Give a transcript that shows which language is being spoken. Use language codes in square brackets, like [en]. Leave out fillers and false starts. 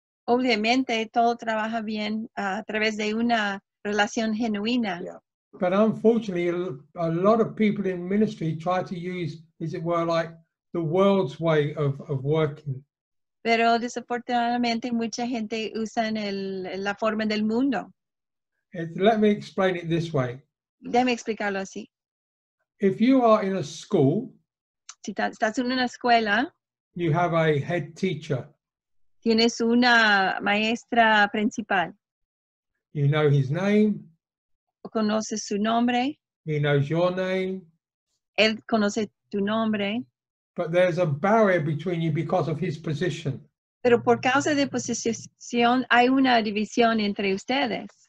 [es] Obviamente todo trabaja bien a través de una relación genuina. [en] Yeah. But unfortunately, a lot of people in ministry try to use, as it were, like the world's way of working. [es] Pero desafortunadamente mucha gente usa la forma del mundo. [en] Let me explain it this way. [es] Déjame explicarlo así. [en] If you are in a school, [es] si estás en una escuela, [en] you have a head teacher. [es] Tienes una maestra principal. [en] You know his name. [es] Conoces su nombre. [en] He knows your name. [es] Él conoce tu nombre. [en] But there's a barrier between you because of his position. [es] Pero por causa de posición hay una división entre ustedes.